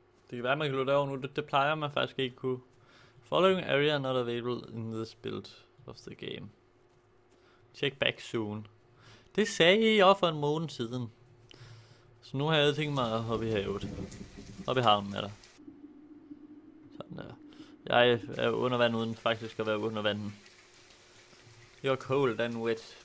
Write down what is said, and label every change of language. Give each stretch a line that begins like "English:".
Danish: Det kan være, at man kan lukke derovre nu. Det plejer man faktisk ikke kunne.
English: Following area not available in this build of the game. Check back soon.
Danish: Det sagde I også for en måned siden. Så nu har jeg tænkt mig at hoppe i havet. Hoppe i havnen med dig. Sådan der. Jeg er under vand uden faktisk at være under vanden.
English: You're cold and wet.